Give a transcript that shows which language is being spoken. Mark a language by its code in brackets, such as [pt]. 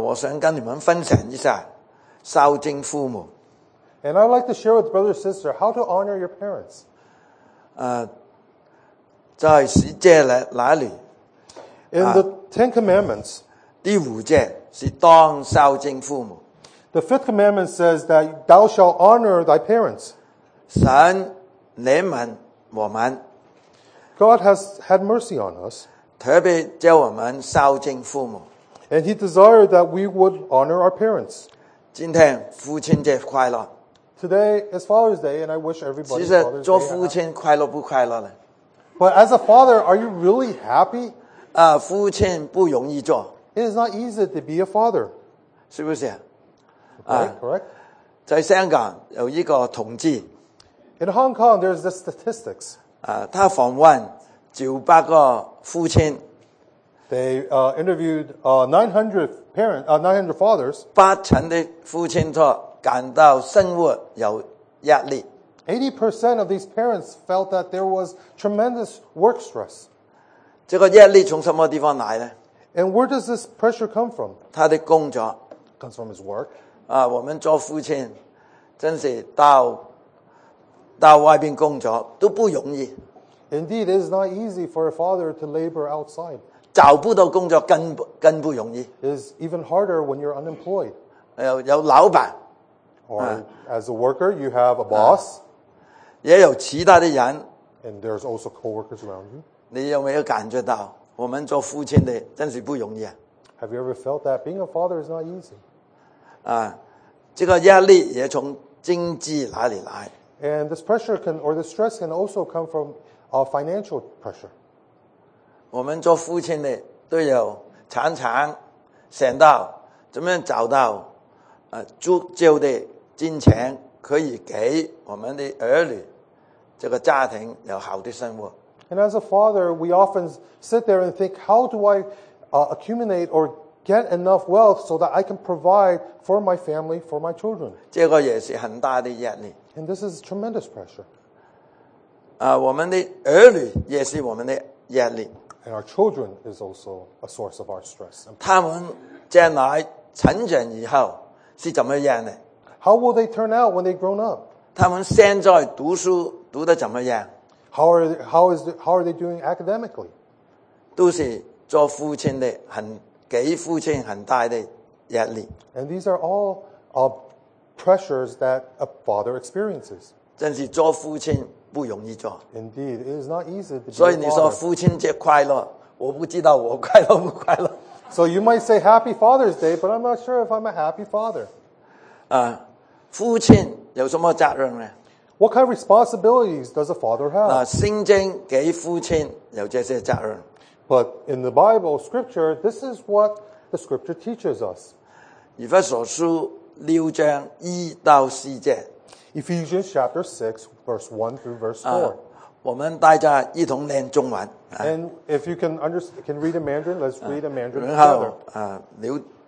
[zh] 我想跟你们分享一下孝敬父母。 [en] And I'd like to share with brother and sister how to honor your parents. [zh] 在十诫哪里？ [en] In the Ten Commandments. [zh] 第五诫是当孝敬父母。 [en] The fifth commandment says that thou shalt honor thy parents. [zh] 神怜悯我们。 [en] God has had mercy on us. [zh] 特别叫我们孝敬父母。 [en] And he desired that we would honor our parents. [zh] 今天父亲节快乐。 [en] Today is Father's Day and I wish everybody Father's Day. [zh] 其实做父亲快乐不快乐呢？ [en] But as a father, are you really happy? [zh] 父亲不容易做。 [en] It is not easy to be a father. [zh] 是不是？ [en] Correct. [zh] 在香港有一个统计。 [en] In Hong Kong, there's the statistics. [zh] 他访问900个父亲。 [en] They interviewed 900 parents, 900 fathers. [zh] 八成的父亲说感到生活有压力。 [en] 80% of these parents felt that there was tremendous work stress. [zh] 这个压力从什么地方来呢？ [en] And where does this pressure come from? [zh] 他的工作。 [en] Comes from his work. [zh] 我们做父亲真是到外边工作都不容易。 [en] Indeed, it is not easy for a father to labor outside. [zh] 找不到工作更不容易。 [en] It is even harder when you're unemployed. [zh] 有老板。 [en] Or as a worker, you have a boss. [zh] 也有其他的人。 [en] And there's also co-workers around you. [zh] 你有没有感觉到我们做父亲的真是不容易啊？ [en] Have you ever felt that being a father is not easy? [zh] 这个压力也从经济哪里来？ [en] And this pressure can, or the stress can also come from financial pressure. [zh] 我们做父亲的都有常常想到怎么样找到足够的金钱可以给我们的儿女这个家庭有好的生活。 [en] And as a father, we often sit there and think, how do I accumulate or get enough wealth so that I can provide for my family, for my children? [zh] 这个也是很大的压力。 [en] And this is tremendous pressure. [zh] 我们的儿女也是我们的压力。 [en] And our children is also a source of our stress. [zh] 他们将来成长以后是怎么样的？ [en] How will they turn out when they grown up? [zh] 他们现在读书读得怎么样? [en] How are they doing academically? [zh] 都是做父亲的,给父亲很大的压力。 [en] And these are all pressures that a father experiences. [zh] 真是做父亲不容易做。 [en] Indeed, it is not easy to be a father. [zh] 所以你说父亲节快乐, 我不知道我快乐不快乐。 [en] So you might say Happy Father's Day, but I'm not sure if I'm a happy father. [zh] 父亲有什么责任呢? [en] What kind of responsibilities does a father have? [zh] 圣经给父亲有这些责任。 [en] But in the Bible, Scripture, this is what the Scripture teaches us. [zh] 以弗所书6章1到4节。 [en] Ephesians chapter 6, verse 1 through verse 4. [zh] 我们大家一同念中文。 [en] And if you can read in Mandarin, let's read in Mandarin together.